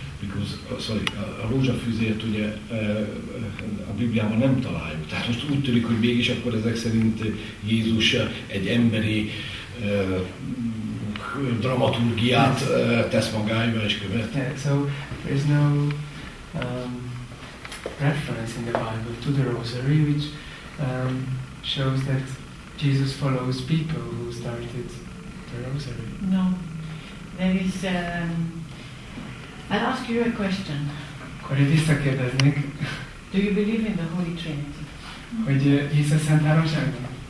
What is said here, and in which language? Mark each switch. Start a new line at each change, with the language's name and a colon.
English: because sorry,
Hungarian: a rózsafűzért ugye a Bibliában nem találjuk. Tehát most úgy tűnik, hogy mégis akkor ezek szerint Jézus egy emberi dramaturgiát tesz magáiba és követ.
English: Yeah, so there's no reference in the Bible to the rosary, which shows that Jesus follows people who started the rosary. No. There is I'll ask you a question.
Hungarian: Akkor visszakérdeznék.
English: Do you believe in the Holy Trinity?
Hungarian: Hogy hisz a Szent Háromságban?